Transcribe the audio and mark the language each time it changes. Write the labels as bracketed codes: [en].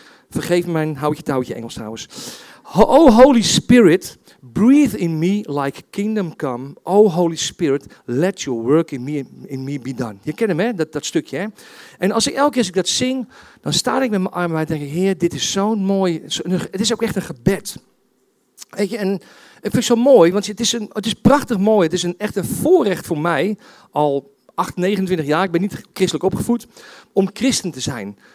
[nl] Vergeef mijn houtje-touwtje Engels trouwens. [en] Oh Holy Spirit, breathe in me like kingdom come. Oh Holy Spirit, let your work in me be done. [nl] Je kent hem, hè? Dat stukje, hè? En als ik elke keer als ik dat zing, dan sta ik met mijn armen uit en denk ik, Heer, dit is zo'n mooi... Het is ook echt een gebed. Weet je, en ik vind het zo mooi, want het is prachtig mooi. Het is echt een voorrecht voor mij, al 8, 29 jaar, ik ben niet christelijk opgevoed, om christen te zijn.